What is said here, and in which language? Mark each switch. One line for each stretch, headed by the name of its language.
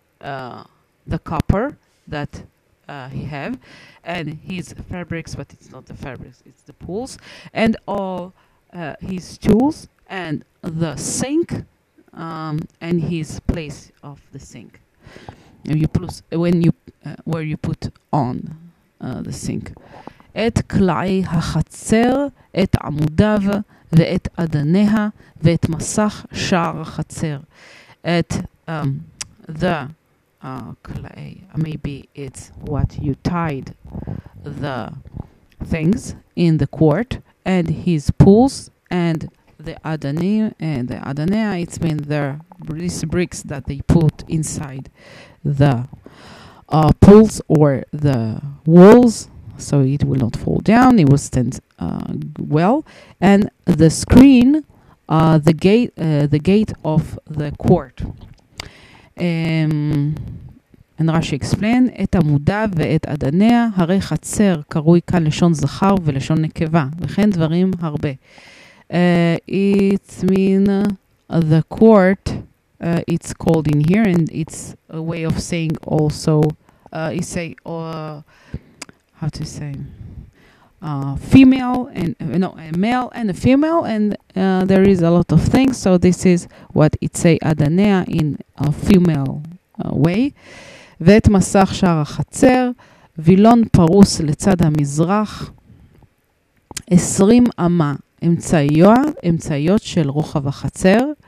English: The copper that he have, and his fabrics, but it's not the fabrics, it's the pools, and all his tools, and the sink, and his place of the sink. You plus when you where you put on the sink.
Hebrew: את כלאי החצר, את עמודיו, ואת אדניה, ואת מסך שער החצר.
English: את the כלאי, maybe it's what you tied the things in the court, and his pools, and the adanim, and the adaneha, it's been there, these bricks that they put inside the pools or the walls, so it will not fall down, it will stand well, and the screen, the gate of the court. And Rashi explained,
Hebrew: את עמודה ואת אדניה, הרי חצר קרוי כאן לשון זכר ולשון נקבה, וכן דברים הרבה.
English: It's mean the court, it's called in here, and it's a way of saying also, you say, how to say, female, and no, a male and a female, and there is a lot of things, so this is what it say, Adanea, in a female way.
Hebrew: ואת מסך שער החצר, וילון פרוס לצד המזרח, 20 אמה, אמצעיות של רוחב החצר,